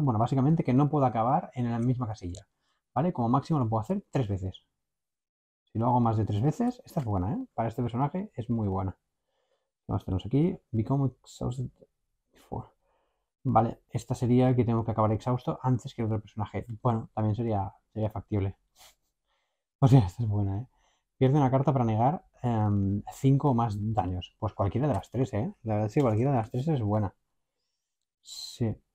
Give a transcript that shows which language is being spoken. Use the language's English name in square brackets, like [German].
[Spanish] Bueno, básicamente que no puedo acabar en la misma casilla. ¿Vale? Como máximo lo puedo hacer tres veces. Si lo hago más de tres veces, esta es buena, ¿eh? Para este personaje es muy buena. ¿Qué más tenemos aquí? [English] Become exhausted before. [Spanish] Vale, esta sería que tengo que acabar exhausto antes que el otro personaje. Bueno, también sería factible. O sea, esta es buena, ¿eh? Pierde una carta para negar 5 o más daños. Pues cualquiera de las tres, ¿eh? La verdad es que cualquiera de las tres es buena. Sí.